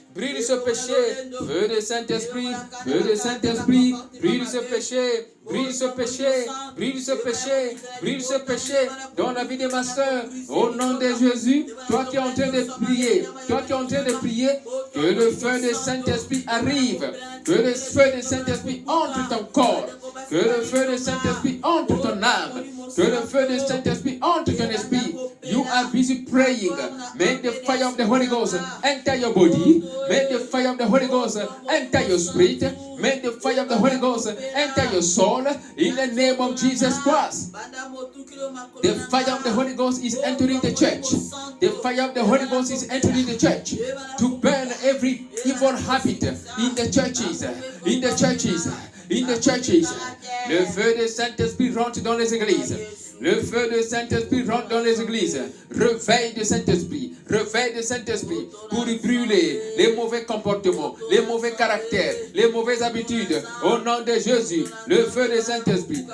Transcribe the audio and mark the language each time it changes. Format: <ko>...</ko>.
<fr>Brûle ce péché, feu de Saint-Esprit, feu de Saint-Esprit, brûle ce péché, brûle ce péché, brûle ce péché, brûle ce péché dans la vie de ma soeur, au nom de Jésus, toi qui es en train de prier, toi qui es en train de prier, que le feu de Saint-Esprit arrive, que le feu de Saint-Esprit entre ton corps, que le feu de Saint-Esprit entre ton âme, que le feu de Saint-Esprit entre ton esprit.</fr> <en>You are busy praying. May the fire of the Holy Ghost enter your body. May the fire of the Holy Ghost enter your spirit. May the fire of the Holy Ghost enter your soul. In the name of Jesus Christ. The fire of the Holy Ghost is entering the church. The fire of the Holy Ghost is entering the church. To burn every evil habit in the churches. In the churches. In the churches.</en> <fr>Le feu de Saint-Esprit rentre dans les églises. Le feu de Saint-Esprit rentre dans les églises. Réveil de Saint-Esprit. Réveil de Saint-Esprit pour brûler les mauvais comportements, les mauvais caractères, les mauvaises habitudes. Au nom de Jésus, le feu de Saint-Esprit.</fr>